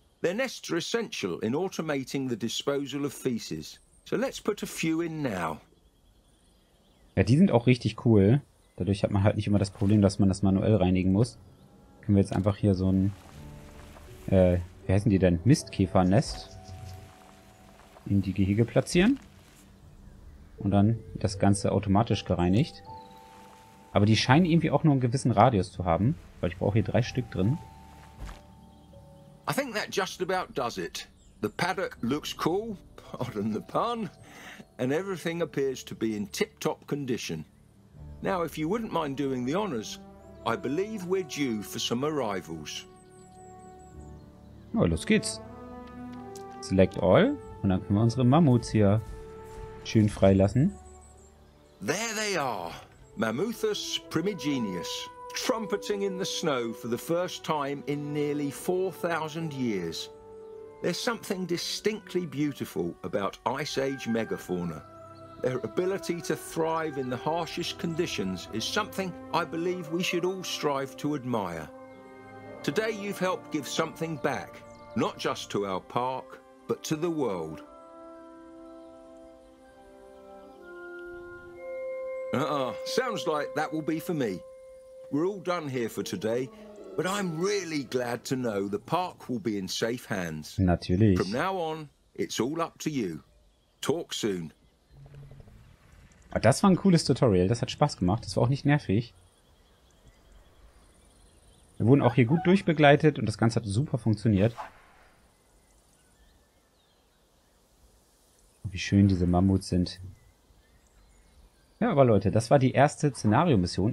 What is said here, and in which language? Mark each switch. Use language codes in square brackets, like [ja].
[en] Their nests are essential in automating the disposal of feces. So let's put a few in now. [de] Ja, die sind auch richtig cool. Dadurch hat man halt nicht immer das Problem, dass man das manuell reinigen muss. Können wir jetzt einfach hier so ein, wie heißen die denn? Mistkäfernest in die Gehege platzieren. Und dann das Ganze automatisch gereinigt. Aber die scheinen irgendwie auch nur einen gewissen Radius zu haben, weil ich brauche hier 3 Stück drin. [en] I think that just about does it. The paddock looks cool, pardon the pun, and everything appears to be in tip-top condition. Now, if you wouldn't mind doing the honors, I believe we're due for some arrivals. [de] Na, oh, los geht's. [en] Select all [de] und dann können wir unsere Mammuts hier schön freilassen. [en] There they are. Mammuthus primigenius, trumpeting in the snow for the first time in nearly 4,000 years. There's something distinctly beautiful about Ice Age megafauna. Their ability to thrive in the harshest conditions is something I believe we should all strive to admire. Today you've helped give something back, not just to our park, but to the world. Sounds like that will be for me. We're all done here for today, but I'm really glad to know the park will be in safe hands. [de] Natürlich. [en] From now on, it's all up to you. Talk soon. [de] Das war ein cooles Tutorial, das hat Spaß gemacht, das war auch nicht nervig. Wir wurden auch hier gut durchbegleitet und das Ganze hat super funktioniert. Wie schön diese Mammuts sind. Ja, aber Leute, das war die erste Szenario-Mission.